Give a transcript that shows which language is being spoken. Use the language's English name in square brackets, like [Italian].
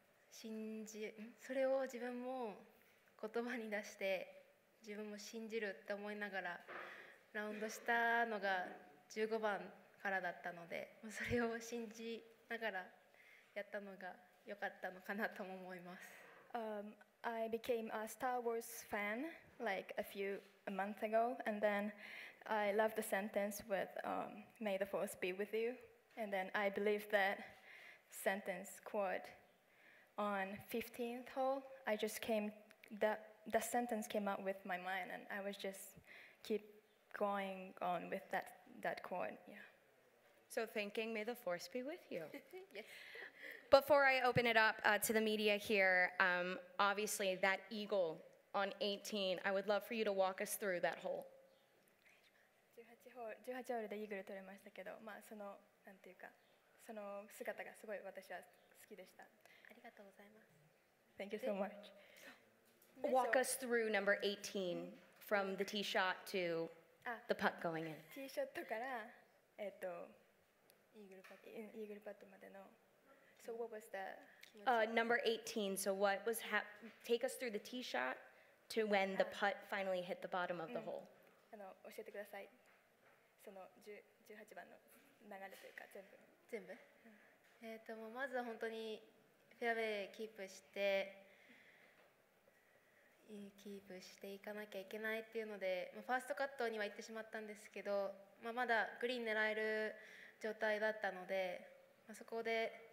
[Japanese] 信じそれを自分も言葉に出して自分も信じるって思いながらラウンドしたのが15番からだったのでそれを信じながらやったのが良かったのかなとも思います、 [English] I became a Star Wars fan like a month ago and then I loved the sentence with May the Force be with you and then I believe that sentence quote on 15th hole I just came that sentence came up with my mind and I was just keep going on with that quote yeah so thinking may the force be with you yes before I open it up to the media here obviously that eagle on 18 I would love for you to walk us through that hole [Japanese] 18ホールでイーグル取れましたけどまあそのなんていうかその姿がすごい私は好きでしたありがとうございます [English] Thank you so much Walk us through number 18 from the tee shot to the putt going in [Japanese] tee shot からイーグルパットまでの [English] So what was the number 18 so what was take us through the tee shot to when the putt finally hit the bottom of the hole [Japanese] あの教えてくださいその18番の流れというか全部もうまずは本当にフェアウェイキープしてキープしていかなきゃいけないっていうので、まあ、ファーストカットには行ってしまったんですけど、まあ、まだグリーン狙える状態だったので、まあ、そこで